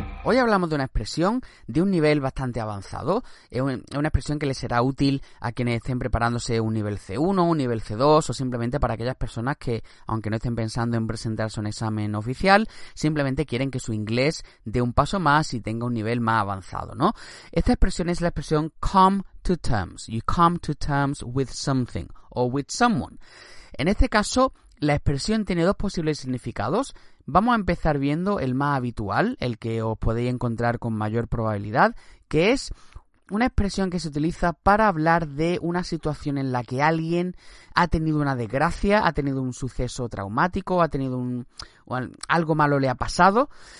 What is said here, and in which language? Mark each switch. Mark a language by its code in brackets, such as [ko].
[es] Hoy hablamos de una expresión de un nivel bastante avanzado. Es una expresión que le será útil a quienes estén preparándose un nivel C1, un nivel C2 o simplemente para aquellas personas que, aunque no estén pensando en presentarse a un examen oficial, simplemente quieren que su inglés dé un paso más y tenga un nivel más avanzado, ¿no? Esta expresión es la expresión come to terms. [en] You come to terms with something or with someone. [es] En este caso, la expresión tiene dos posibles significados. Vamos a empezar viendo el más habitual, el que os podéis encontrar con mayor probabilidad, que es una expresión que se utiliza para hablar de una situación en la que alguien ha tenido una desgracia, ha tenido un suceso traumático, ha tenido algo malo le ha pasado.